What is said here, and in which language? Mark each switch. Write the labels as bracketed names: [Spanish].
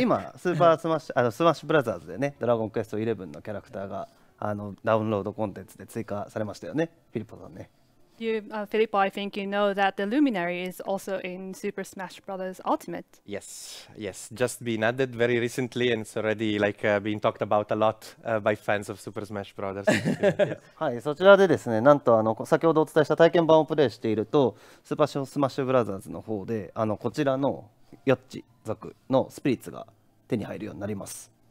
[Japanese] 今、スーパースマッシュ、あの、スマッシュブラザーズでね、ドラゴンクエスト11のキャラクターがあのダウンロードコンテンツで追加されましたよね、フィリポさんね。 [English] You, Filippo, I think you know that the Luminary is also in Super Smash Brothers Ultimate. Yes, yes, just been added very recently, and it's already like been talked about a lot by fans of Super Smash Brothers. [Japanese] はい、そちらでですね、なんとあの先ほどお伝えした体験版をプレイしていると、スーパースマッシュブラザーズの方で、あのこちらのヨッチ族のスピリッツが手に入るようになります。